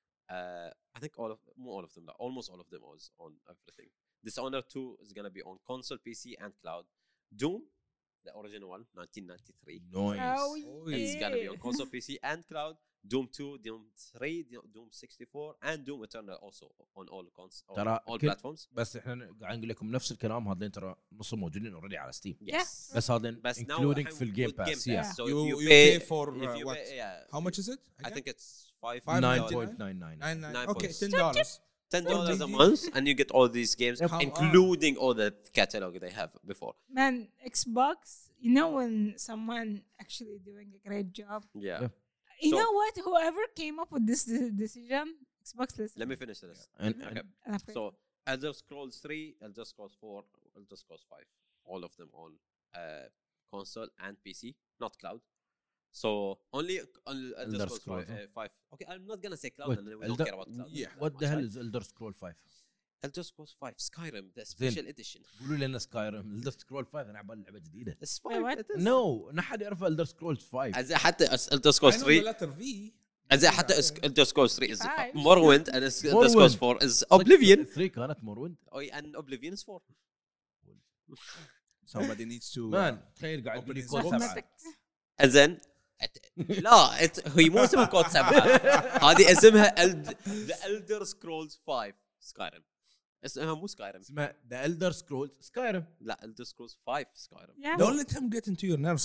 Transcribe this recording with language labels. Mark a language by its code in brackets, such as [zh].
[en] I think almost all of them was on everything. Dishonored 2 is gonna be on console, PC, and cloud. Doom, the original one, 1993. Nice. Oh, yeah. It's gonna be on console, PC, and cloud. Doom 2, Doom 3, Doom 64, and Doom Eternal also on all consoles, all platforms. [ar] بس إحنا قاعدين نقول لكم نفس الكلام هذين ترى نصهم موجودين already على Steam. [en] Yes. [ar] بس هذين including في Game Pass. [en] Game Pass. Yeah. So you pay for what? Yeah. How much is it? Again? I think it's $5.99. Okay, $10 a month, and you get all these games, including all the catalog they have before. Man, Xbox, you know when someone actually doing a great job? Yeah. You know what? Whoever came up with this decision, Xbox listen. Let me finish this. Okay. So, Elder Scrolls 3, Elder Scrolls 4, Elder Scrolls 5, all of them on console and PC, not cloud. So, only Elder Scrolls 5. Okay, I'm not going to say cloud, and we don't care about cloud. Yeah. What the hell is Elder Scrolls 5? Elder Scrolls 5, Skyrim, the special edition. [ar] قولوا لنا Skyrim, Elder Scrolls 5, أنا عبال لعبة جديدة. [en] It's fine. [ar] No, نحد يعرف Elder Scrolls 5. أزاي حتى Elder Scrolls 3. [en] I know the letter V. [ar] أزاي حتى [en] Elder Scrolls 3 is Morrowind, and Elder Scrolls 4 is Oblivion. [ar] 3 كانت Morrowind. [en] And Oblivion is 4. Somebody needs to... [ar] Man, تخيل قاعد يقول لي كود 7. أزين... لا هي مو اسمها كود 7. هذه اسمها The Elder Scrolls 5. Skyrim. اسمها مو سكايرم. اسمها The Elder Scrolls Skyrim. لا Elder Scrolls 5 Skyrim. [en] Yeah. Don't let him get into your nerves.